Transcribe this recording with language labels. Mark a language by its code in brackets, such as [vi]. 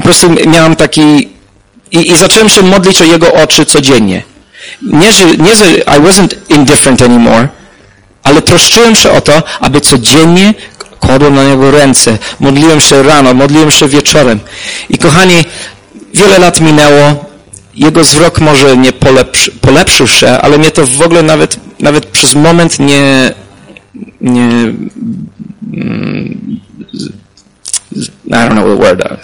[pl] Po prostu miałem taki, i zacząłem się modlić o jego oczy codziennie. Nie, że [en] I wasn't indifferent anymore. [pl] Ale troszczyłem się o to, aby codziennie kładłem na niego ręce. Modliłem się rano, modliłem się wieczorem. I kochani, wiele lat minęło. Jego wzrok może nie polepszył się, ale mnie to w ogóle nawet przez moment nie [en] I don't know what word.